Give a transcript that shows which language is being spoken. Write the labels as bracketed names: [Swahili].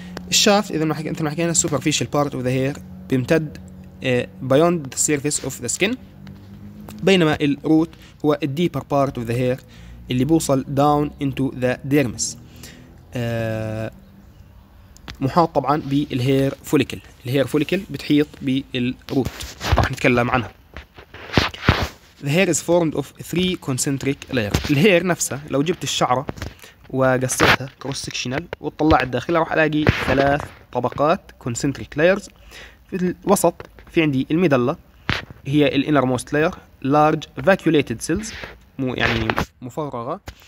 [Arabic] الشافت إذا ما حكي أنت ما حكينا [English] superficial part of the hair [Arabic] بيمتد [English] beyond the surface of the skin، [Arabic] بينما الروت هو [English] deeper part of the hair [Arabic] اللي بوصل [English] down into the dermis، [Arabic] محاط طبعا بالهير فوليكل. الهير فوليكل بتحيط بالروت، راح نتكلم عنها. [English] The hair is formed of three concentric layers. [Arabic] الهير نفسها لو جبت الشعرة وقصيتها كروس سكشنال وطلعت داخلها راح الاقي ثلاث طبقات كونسنتريك لايرز. في الوسط في عندي الميدلا، هي الانر موست لاير، لارج فاكيوليتد سيلز، مو يعني مفرغه.